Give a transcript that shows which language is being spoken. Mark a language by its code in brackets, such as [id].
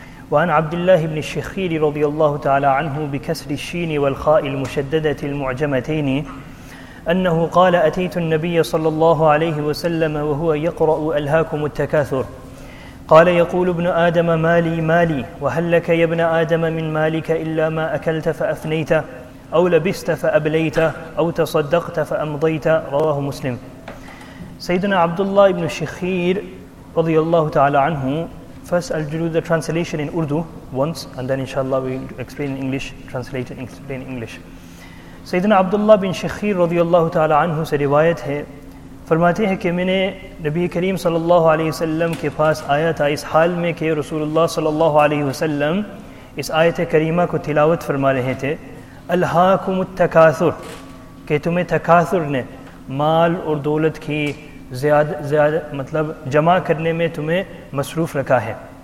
[ar] وعن عبد الله بن الشخير رضي الله تعالى عنه بكسر الشين والخاء المشددة المعجمتين أنه قال أتيت النبي صلى الله عليه وسلم وهو يقرأ ألهاكم التكاثر قال يقول ابن آدم مالي مالي وهل لك يا ابن آدم من مالك إلا ما أكلت فأفنيت أو لبست فأبليت أو تصدقت فأمضيت رواه مسلم. سيدنا عبد الله بن الشخير رضي الله تعالى عنه [en] First, I'll do the translation in Urdu once, and then inshallah we'll explain in English, translate and explain in English. [ur] Sayyidina Abdullah bin Shakhir radiyallahu ta'ala anhu se riwayat hai, فرماتے ہیں کہ میں نے نبی کریم صلی اللہ علیہ وسلم کے پاس آیا تھا اس حال میں کہ رسول اللہ صلی اللہ علیہ وسلم اس آیت کریمہ کو تلاوت فرما رہے تھے. الہاکم التکاثر, کہ تمہیں تکاثر نے مال اور دولت کی زیادہ مطلب جمع کرنے میں تمہیں مصروف رکھا ہے.